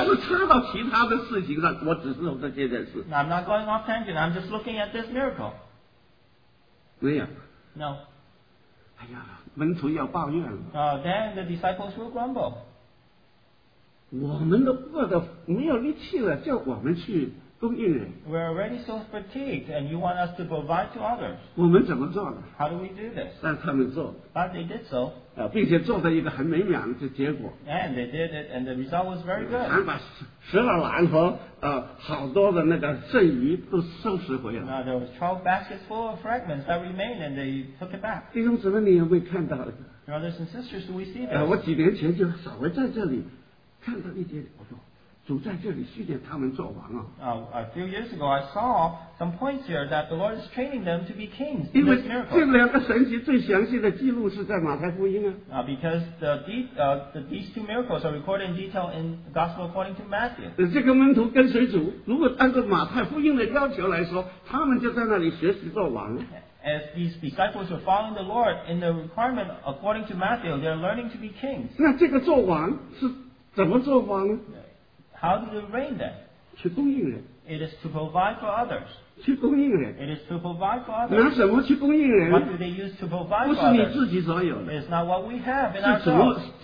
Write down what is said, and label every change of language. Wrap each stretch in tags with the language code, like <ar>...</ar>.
<zh>我不是插到其他的事情上，我只是说这件事。</zh> <en>I'm not going off tangent, I'm just looking at this miracle.</en> <zh>没有。</zh> <en>No.</en> <zh>哎呀，门徒要抱怨了。</zh> <en>Then the disciples will grumble.</en> <zh>我们都饿得没有力气了，叫我们去供应人。</zh> <en>We're already so fatigued, and you want us to provide to others.</en> <zh>我们怎么做呢？</zh> <en>How do we do this?</en> <zh>但他们做。</zh> <en>But they did so.</en> <zh>并且做的一个很美满的结果。</zh> <en>And they did it, and the result was very good.</en> <zh>还把十二篮和好多的那个剩余都收拾回来。</zh> <en>Now there was 12 baskets full of fragments that remained, and they took it back.</en> <zh>弟兄姊妹，你有没有看到？</zh> <en>Brothers and sisters, do we see this?</en> <zh>我几年前就稍微在这里看到一点点，我说。主在这里训练他们做王啊。</zh> <en>A few years ago, I saw some points here that the Lord is training them to be kings.</en> <zh>因为这两个神迹最详细的记录是在马太福音啊。</zh> <en>Because these two miracles are recorded in detail in the Gospel according to Matthew.</en> <zh>这个门徒跟随主，如果按照马太福音的要求来说，他们就在那里学习做王。</zh> <en>As these disciples are following the Lord in the requirement according to Matthew, they are learning to be kings.</en> <zh>那这个做王是怎么做王呢？</zh> <en>How do you reign then?</en> <zh>去供应人。</zh> <en>It is to provide for others.</en> <zh>去供应人.</zh> <en>It is to provide for others.</en> <zh>拿什么去供应人?</zh> <en>What do they use to provide for others? It's not what we have in ourselves.</en>